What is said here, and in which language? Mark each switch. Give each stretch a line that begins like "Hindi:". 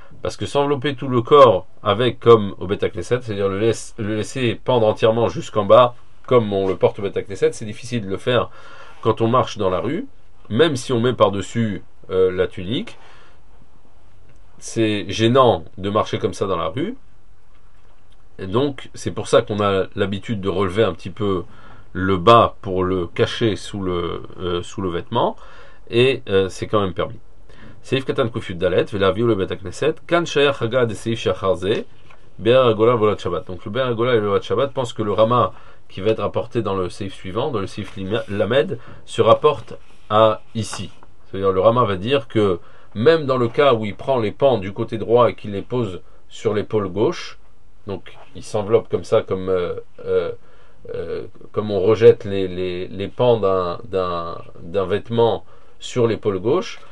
French: Parce que s'envelopper tout le corps avec comme au Beta Knesset, c'est-à-dire le laisser pendre entièrement jusqu'en bas, comme on le porte au Beta Knesset, c'est difficile de le faire quand on marche dans la rue, même si on met par-dessus la tunique. C'est gênant de marcher comme ça dans la rue. Et donc, c'est pour ça qu'on a l'habitude de relever un petit peu le bas pour le cacher sous le vêtement. Et c'est quand même permis.
Hebrew: סעיף קטן קופיות דלת, ולהביאו לבית הכנסת, כאן שייך הגעה דה סעיף שאחר זה, בער הגולה ועולת שבת.
French: Donc le בער הגולה ועולת שבת, pense que le רמה qui va être rapporté dans le סעיף suivant, dans le סעיף למד, se rapporte à ici. C'est-à-dire le רמה va dire que même dans le cas où il prend les pans du côté droit et qu'il les pose sur l'épaule gauche, donc il s'enveloppe comme ça, comme, comme on rejette les pans d'un vêtement sur l'épaule gauche.